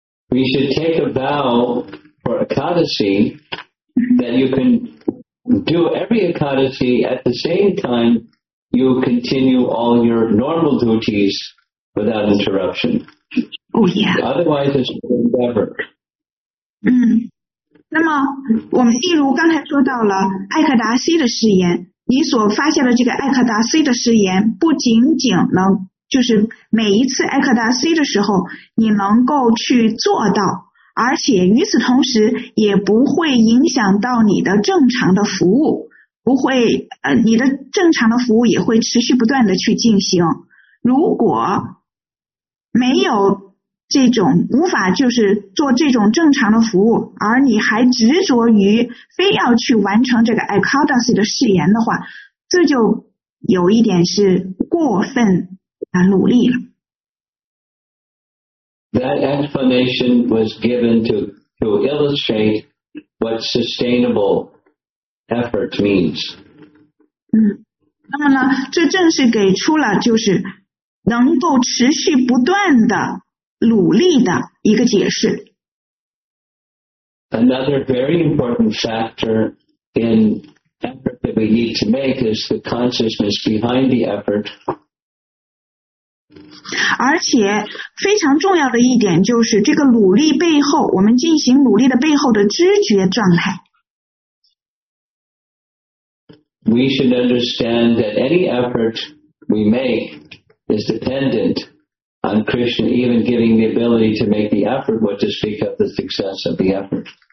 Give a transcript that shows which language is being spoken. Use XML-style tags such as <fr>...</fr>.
<en>We should take a vow for Ekadasi that you can do every Ekadasi at the same time you continue all your normal duties without interruption. Oh, yeah. Otherwise, it's never.</en> <zh>那么我们例如刚才说到了艾克达西的誓言，你所发下的这个艾克达西的誓言不仅仅能就是每一次 Ekadasi 的时候你能够去做到，而且与此同时也不会影响到你的正常的服务，不会你的正常的服务也会持续不断的去进行。如果没有这种无法就是做这种正常的服务，而你还执着于非要去完成这个 Accountancy 的誓言的话，这就有一点是过分努力了。</zh> <en>That explanation was given to illustrate what sustainable effort means.</en> <zh>嗯，那么呢，这正是给出了就是能够持续不断的努力的一个解释。</zh> <en>Another very important factor in effort that we need to make is the consciousness behind the effort.</en> <zh>而且非常重要的一点就是这个努力背后，我们进行努力的背后的知觉状态。</zh> <en>We should understand that any effort we make is dependent on Krishna even giving the ability to make the effort, what to speak of the success of the effort.</en>